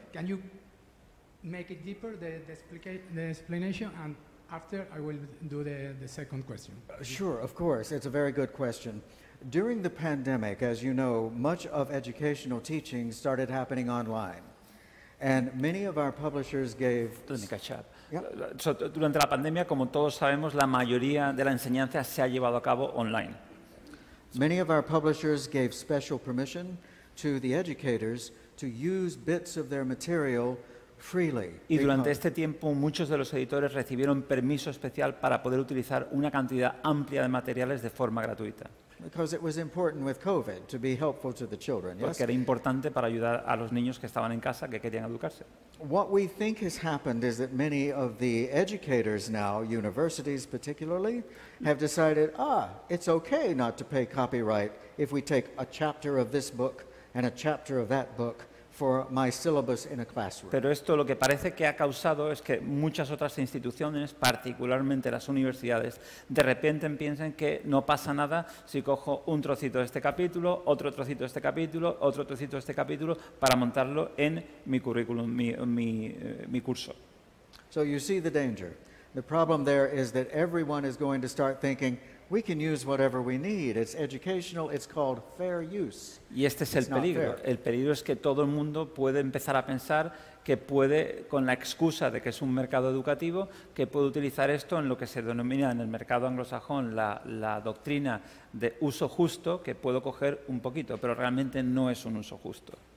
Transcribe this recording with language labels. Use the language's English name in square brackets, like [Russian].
[English] Can you make it deeper, the explanation? And after, I will do the second question. Sure, of course. It's a very good question. During the pandemic, as you know, much of educational teaching started happening online. And many of our publishers gave... Let me catch up. Yep. [Spanish] So, durante la pandemia, como todos sabemos, la mayoría de la enseñanza se ha llevado a cabo online. [English] Many of our publishers gave special permission to the educators to use bits of their material freely. [Spanish] Y durante este tiempo, muchos de los editores recibieron permiso especial para poder utilizar una cantidad amplia de materiales de forma gratuita. [English] Because it was important with COVID to be helpful to the children. Yes? [Spanish] Porque era importante para ayudar a los niños que estaban en casa, que querían educarse. [English] What we think has happened is that many of the educators now, universities particularly, have decided, it's okay not to pay copyright if we take a chapter of this book and a chapter of that book for my syllabus in a classroom. [Spanish] Pero esto lo que parece que ha causado es que muchas otras instituciones, particularmente las universidades, de repente piensen que no pasa nada si cojo un trocito de este capítulo, otro trocito de este capítulo, otro trocito de este capítulo para montarlo en mi currículum, mi curso. [English] So you see the danger. The problem there is that everyone is going to start thinking we can use whatever we need. It's educational. It's called fair use. [Spanish] Y este es el peligro. El peligro es que todo el mundo puede empezar a pensar que puede, con la excusa de que es un mercado educativo, que puede utilizar esto en lo que se denomina en el mercado anglosajón la doctrina de uso justo, que puedo coger un poquito, pero realmente no es un uso justo.